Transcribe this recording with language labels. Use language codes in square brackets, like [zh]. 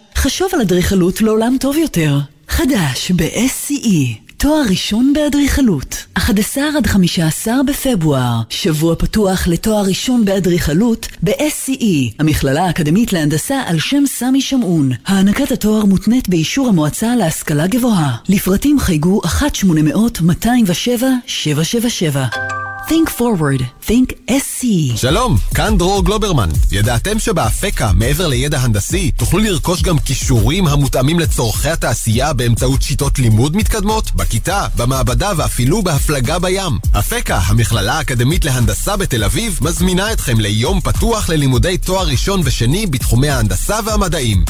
[he] חשוב על אדריכלות לעולם טוב יותר. חדש ב-SCE, תואר ראשון באדריכלות. 11 עד 15 בפברואר, שבוע פתוח לתואר ראשון באדריכלות ב-SCE, המכללה האקדמית להנדסה על שם סמי שמעון. הענקת התואר מותנית באישור המועצה להשכלה גבוהה. לפרטים חייגו 1-800-207-777. [en] Think forward, think SCE. [he] שלום, כאן דרור גלוברמן. ידעתם שבאפקה, מעבר לידע הנדסי, תוכלו לרכוש גם כישורים המותאמים לצורכי התעשייה באמצעות שיטות לימוד מתקדמות, בכיתה, במעבדה ואפילו בהפלגה בים. אפקה, המכללה האקדמית להנדסה בתל אביב, מזמינה אתכם ליום פתוח ללימודי תואר ראשון ושני בתחומי ההנדסה והמדעים.